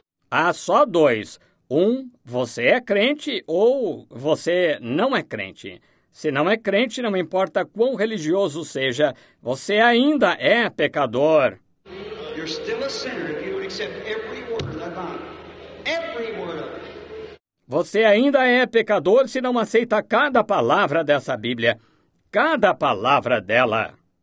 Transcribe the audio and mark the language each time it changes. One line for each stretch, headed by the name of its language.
Portuguese: Há só dois. Um, você é crente ou você não é crente. Se não é crente, não importa quão religioso seja, você ainda é pecador.
English: You're still a sinner if you would accept every word of the Bible. Every word of it.
Portuguese: Você ainda é pecador se não aceita cada palavra dessa Bíblia. Cada palavra dela.